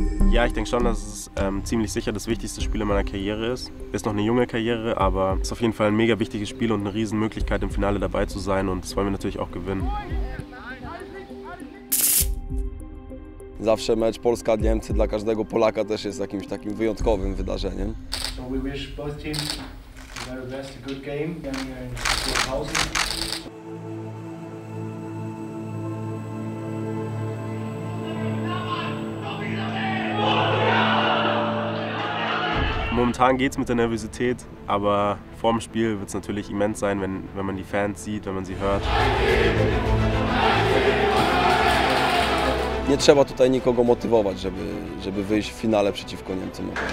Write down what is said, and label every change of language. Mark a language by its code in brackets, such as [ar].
[de] Ja, ich denke schon, dass es ziemlich sicher das wichtigste Spiel in meiner Karriere ist. Ist noch eine junge Karriere, aber es ist auf jeden Fall ein mega wichtiges Spiel und eine Riesenmöglichkeit, im Finale dabei zu sein. Und das wollen wir natürlich auch gewinnen. [pl] Zawsze mecz Polska-Niemcy dla każdego Polaka też jest jakimś takim wyjątkowym wydarzeniem. [en] So we wish both teams the very best, a good game and good housing. [de] Momentan geht es mit der Nervosität, aber vorm Spiel wird es natürlich immens sein, wenn man die Fans sieht, wenn man sie hört. [pl] Nie trzeba tutaj nikogo motywować, żeby wyjść w finale przeciwko Niemcom.